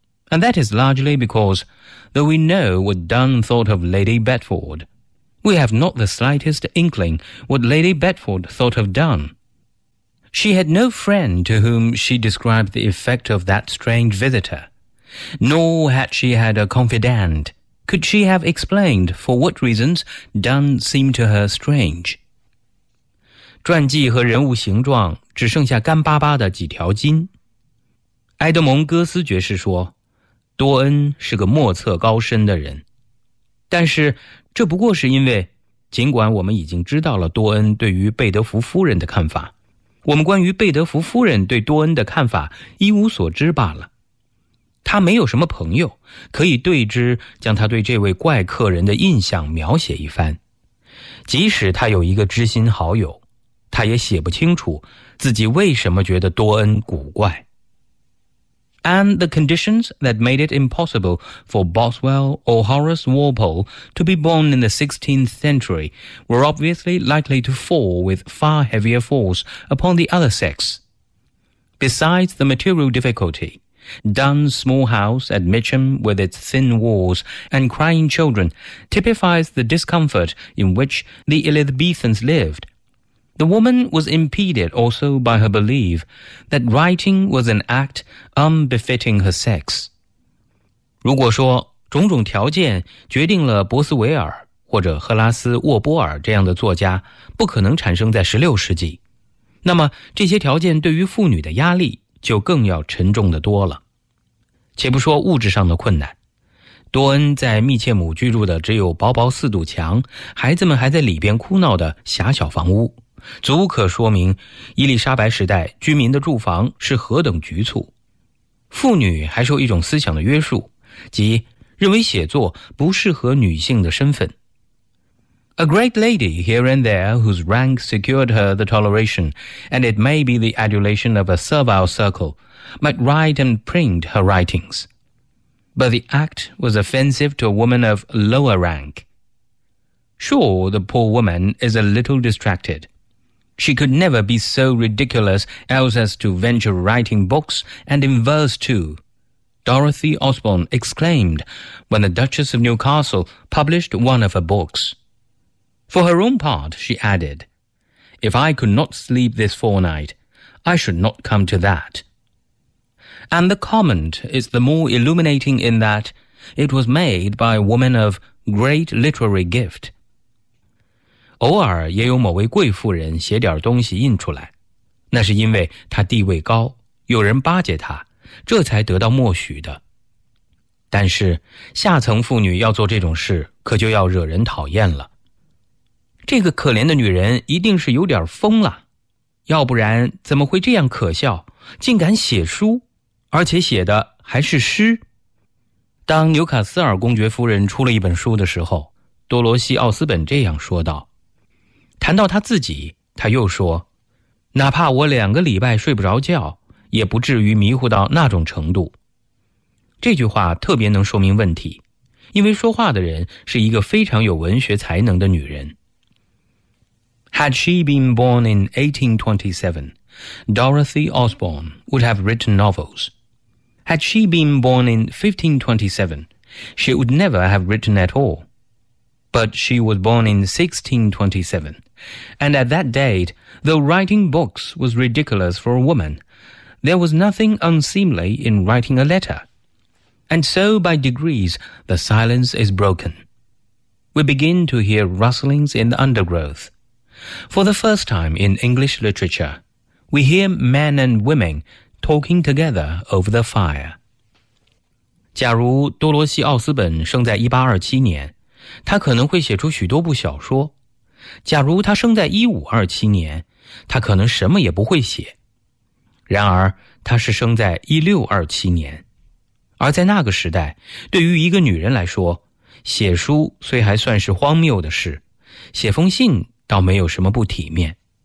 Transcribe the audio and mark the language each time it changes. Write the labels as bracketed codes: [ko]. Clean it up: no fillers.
[en] And that is largely because, though we know what Donne thought of Lady Bedford, we have not the slightest inkling what Lady Bedford thought of Donne. She had no friend to whom she described the effect of that strange visitor, nor had she had a confidant. Could she have explained for what reasons Donne seemed to her strange? [zh] 传记和人物形状只剩下干巴巴的几条筋。埃德蒙·戈斯爵士说，多恩是个莫测高深的人。但是这不过是因为，尽管我们已经知道了多恩对于贝德福夫人的看法，我们关于贝德福夫人对多恩的看法一无所知罢了。他没有什么朋友可以对之将他对这位怪客人的印象描写一番。即使他有一个知心好友，他也写不清楚自己为什么觉得多恩古怪。 [en] And the conditions that made it impossible for Boswell or Horace Walpole to be born in the 16th century were obviously likely to fall with far heavier force upon the other sex. Besides the material difficulty, Donne's small house at Mitcham with its thin walls and crying children typifies the discomfort in which the Elizabethans lived. The woman was impeded also by her belief that writing was an act unbefitting her sex. [zh] 如果说种种条件决定了博斯维尔或者赫拉斯沃波尔这样的作家不可能产生在16世纪，那么这些条件对于妇女的压力就更要沉重的多了。且不说物质上的困难，多恩在密切母居住的只有薄薄四堵墙，孩子们还在里边哭闹的狭小房屋，足可说明伊丽莎白时代居民的住房是何等局促。妇女还受一种思想的约束，即认为写作不适合女性的身份。 [en] A great lady here and there whose rank secured her the toleration, and it may be the adulation of a servile circle, might write and print her writings. But the act was offensive to a woman of lower rank. Sure, the poor woman is a little distracted. She could never be so ridiculous else as to venture writing books and in verse too. Dorothy Osborne exclaimed when the Duchess of Newcastle published one of her books. For her own part, she added, If I could not sleep this fortnight, I should not come to that. And the comment is the more illuminating in that it was made by a woman of great literary gift. [zh] 偶尔也有某位贵妇人写点东西印出来，那是因为她地位高，有人巴结她，这才得到默许的。但是下层妇女要做这种事，可就要惹人讨厌了。这个可怜的女人一定是有点疯了，要不然怎么会这样可笑，竟敢写书，而且写的还是诗。当纽卡斯尔公爵夫人出了一本书的时候，多罗西·奥斯本这样说道。谈到他自己，他又说，哪怕我两个礼拜睡不着觉，也不至于迷糊到那种程度。这句话特别能说明问题，因为说话的人是一个非常有文学才能的女人。 [en] Had she been born in 1827, Dorothy Osborne would have written novels. Had she been born in 1527, she would never have written at all. But she was born in 1627, and at that date, though writing books was ridiculous for a woman, there was nothing unseemly in writing a letter. And so, by degrees, the silence is broken. We begin to hear rustlings in the undergrowth. For the first time in English literature, we hear men and women talking together over the fire. [zh] 假如多罗西·奥斯本生在1827年，他可能会写出许多部小说，假如他生在1527年，他可能什么也不会写。然而，他是生在1627年，而在那个时代，对于一个女人来说，写书虽还算是荒谬的事，写封信倒没有什么不体面。